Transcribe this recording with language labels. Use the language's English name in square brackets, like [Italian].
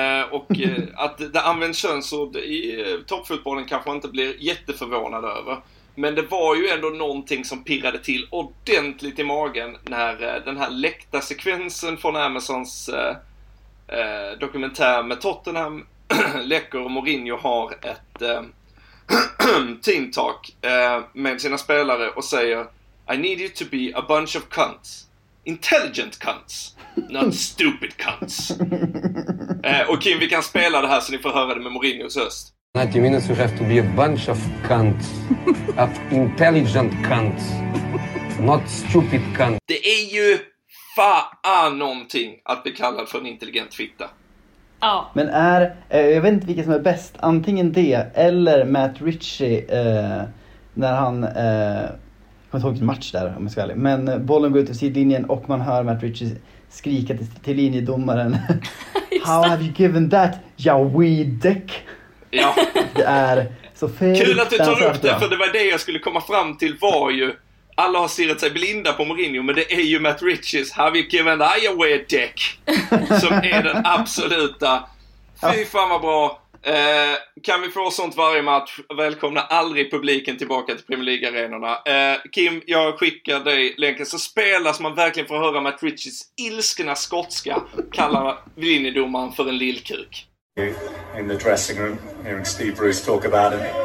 [Swedish] Och att det används könsord i toppfotbollen kanske inte blir jätteförvånad över, men det var ju ändå någonting som pirrade till ordentligt i magen när den här läckta sekvensen från Amazons dokumentär med Tottenham läcker, och Mourinho har ett team talk med sina spelare och säger, [English] I need you to be a bunch of cunts. Intelligent cunts, not stupid cunts. [Swedish] Och Kim, vi kan spela det här så ni får höra det med Mourinhos röst. [English] 90 minutes you have to be a bunch of cunts, of intelligent cunts, not stupid cunts. [Swedish] Det är ju fan någonting att bli kallad för en intelligent fitta. Ja. Men är, jag vet inte vilket som är bäst, antingen det eller Matt Ritchie när han, jag kommer inte ihåg en match där om jag ska vara ärlig, men bollen går ut ur sidlinjen och man hör Matt Ritchie skrika till linjedomaren. [English] How have you given that, ya weed dick? [Swedish] Ja. Det är så fel. Kul att du tar upp det, för det var det jag skulle komma fram till. Var ju, alla har stirrat sig blinda på Mourinho, men det är ju Matt Ritchies [English] Have you given I a weird dick, [Swedish] som är den absoluta. Fy fan vad bra. Kan vi få sånt varje match? Välkomna aldrig publiken tillbaka till Premier League-arenorna. Kim, jag skickar dig länken, så spela så man verkligen får höra Matt Ritchies ilskna skotska kalla linjedomaren för en lillkuk. [English] In the dressing room, hearing Steve Bruce talk about him.